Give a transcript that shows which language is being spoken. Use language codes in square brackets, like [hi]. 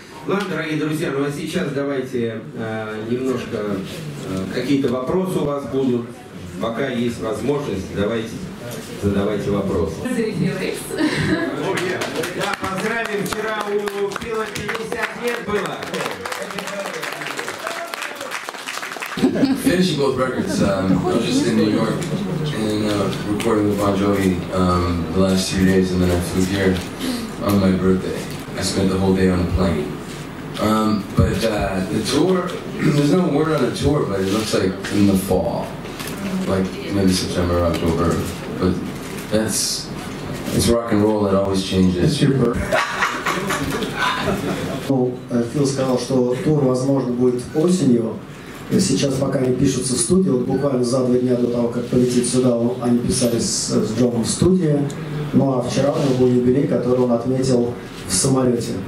[ru] Ладно, дорогие друзья, ну а сейчас давайте немножко какие-то вопросы у вас будут. Пока есть возможность, давайте задавайте вопросы. Да, поздравим, вчера у Фила 50 лет было. [en] Finishing both records, I was just in New York and recording with Bon Jovi the last 2 days, and then I flew here on my birthday. I spent the whole day on a plane. But the tour, there's no word on a tour, but it looks like in the fall. Like maybe September, October, but it's rock and roll, it always changes. It's your birth. [ru] Фил сказал, что тур, возможно, будет осенью. Сейчас пока не пишутся в студии, вот буквально за 2 дня до того, как полететь сюда, они писали с Джоном в студии. Ну а вчера у него был юбилей, который он отметил в самолете.